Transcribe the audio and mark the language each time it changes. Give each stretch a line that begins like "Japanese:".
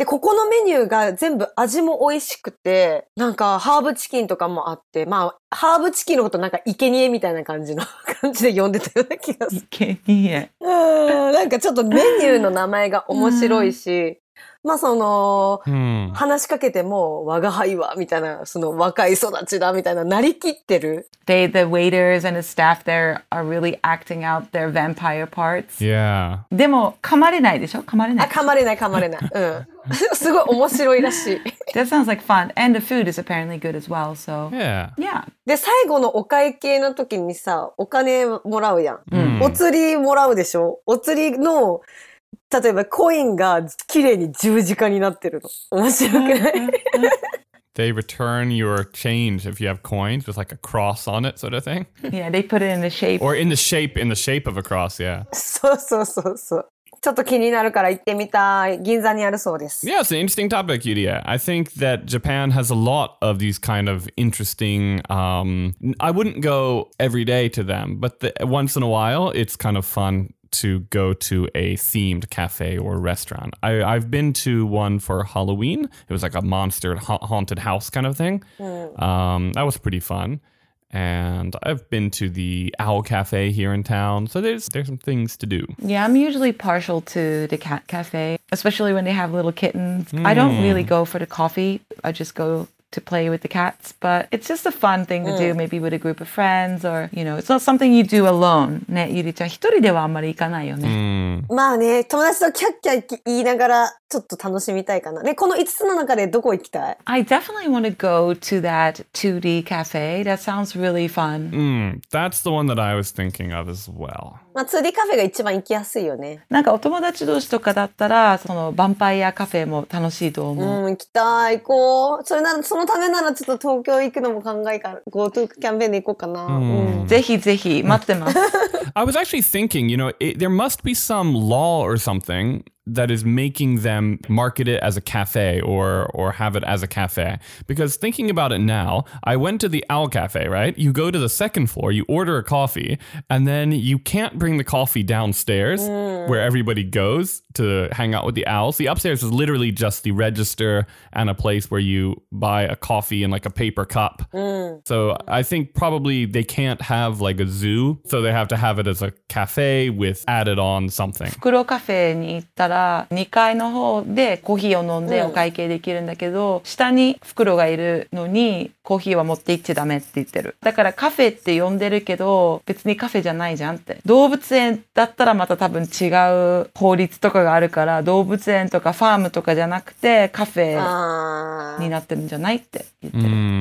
Japanese: で、ここのメニューが全部味も美味しくて、なんかハーブチキンとかもあって、まあ、ハーブチキンのことなんか生贄みたいな感じの感じで呼んでたような気がする。生贄。なんかちょっとメニューの名前が面白いし、まあその、話しかけても、我が輩は、みたいな、その若い育ちだ、みたいな、なりきってる。
English: They, the waiters and the staff there are really acting out their vampire parts. Yeah.
Japanese: でも、噛まれないでしょ？噛まれない。あ、噛まれない、噛まれない。うん。すごい面白いらしい。
English: That sounds like fun. And the food is apparently good as well, so. Yeah. Yeah.
Japanese: で、最後のお会計の時にさ、お金もらうやん。うん、お釣りもらうでしょ？お釣りの、例えばコインが綺麗に十字架になってるの。面白くない？
English: They return your change if you have coins with like a cross on it sort of thing. Yeah, they put it in the shape. Or in the shape of a cross, yeah.
Japanese: そうそうそうそう。ちょっと気になるから行ってみたい。銀座にあるそうです。
English: Yeah, it's an interesting topic, Yuria. I think that Japan has a lot of these kind of interesting... I wouldn't go every day to them, but once in a while, it's kind of fun. To go to a themed cafe or restaurant. I've been to one for Halloween. It was like a monster haunted house kind of thing. Mm. That was pretty fun. And I've been to the Owl Cafe here in town. So there's some things to do. Yeah, I'm usually partial to the cat cafe, especially when they have little kittens. Mm. I don't really go for the coffee. I just go... to play with the cats, but it's just a fun thing to do, maybe with a group of friends, or, you know, it's not something you do alone.
Japanese: ね、ゆりちゃん、一人ではあんまり行かないよね。まあね、友達とキャッキャ言いながら、ちょっと楽しみたいかな。ね、この5つの中でどこ行きたい？
English: I definitely want to go to that 2D cafe. That sounds really fun. That's the one that I was thinking of as well.
Japanese: まあ、2D カフェが一番行きやすいよね。なんかお友達同士とかだったら、そのヴァンパイアカフェも楽しいと思う。うん、行きたい、行こう。それなら、そのためならちょっと東京行くのも考えか、GoTo キャンペーンで行こうかな。ぜひぜひ、待ってます。
English: I was actually thinking, you know, there must be some law or something that is making them market it as a cafe or have it as a cafe. Because thinking about it now, I went to the Owl Cafe, right? You go to the second floor, you order a coffee, and then you can't bring the coffee downstairs where everybody goes to hang out with the owls. The upstairs is literally just the register and a place where you buy a coffee in like a paper cup. So I think probably they can't have like a zoo, so they have to have it as a cafe with added on something.
Japanese: 袋カフェに行ったら2階の方でコーヒーを飲んでお会計できるんだけど、下に袋がいるのにコーヒーは持って行っちゃダメって言ってる。だからカフェって呼んでるけど別にカフェじゃないじゃんって。動物園だったらまた多分違う法律とかがあるから、動物園とかファームとかじゃなくてカフェになってるんじゃないって言ってる。